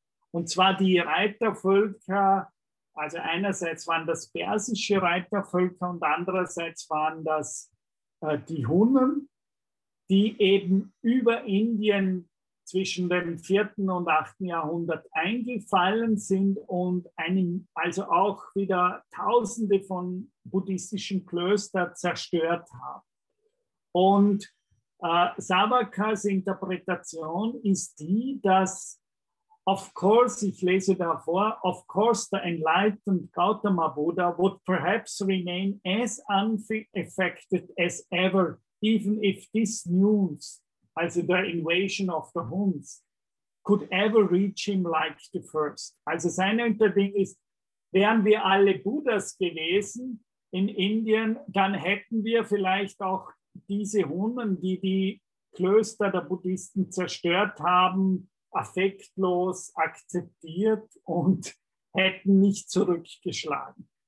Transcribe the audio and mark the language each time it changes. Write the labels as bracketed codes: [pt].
[de] Und zwar die Reitervölker, also einerseits waren das persische Reitervölker und andererseits waren das die Hunnen, die eben über Indien zwischen dem 4. und 8. Jahrhundert eingefallen sind und also auch wieder Tausende von buddhistischen Klöstern zerstört haben. Und Savarkars Interpretation ist die, dass, [en] of course, [de] ich lese davor, [en] of course the enlightened Gautama Buddha would perhaps remain as unaffected as ever, even if this news, also the invasion of the Huns, could ever reach him like the first. [de] Also seine Interpretation ist, wären wir alle Buddhas gewesen in Indien, dann hätten wir vielleicht auch diese Hunnen, die die Klöster der Buddhisten zerstört haben, affektlos akzeptiert und hätten nicht zurückgeschlagen.